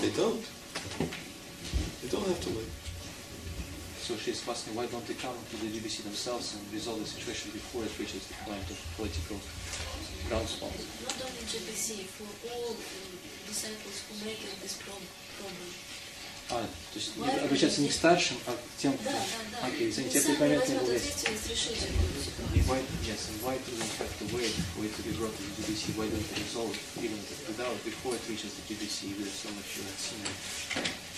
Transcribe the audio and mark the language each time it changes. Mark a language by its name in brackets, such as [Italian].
[English] They don't. They don't have to wait. So she's asking, why don't they come to the GBC themselves and resolve the situation before it reaches the point of political groundswell? Not only GBC, for all disciples who make this problem. [Russian] А, то есть не обращаться не к старшим, а к тем, кто... Да, да, да. Окей, извините, это понятно. Самый возьмет ответственность решить эту ситуацию. [English] Yes, and why do they have to wait for it to be brought to the GBC? Why don't they resolve it even without, before it reaches the GBC, if there's so much you have seen it?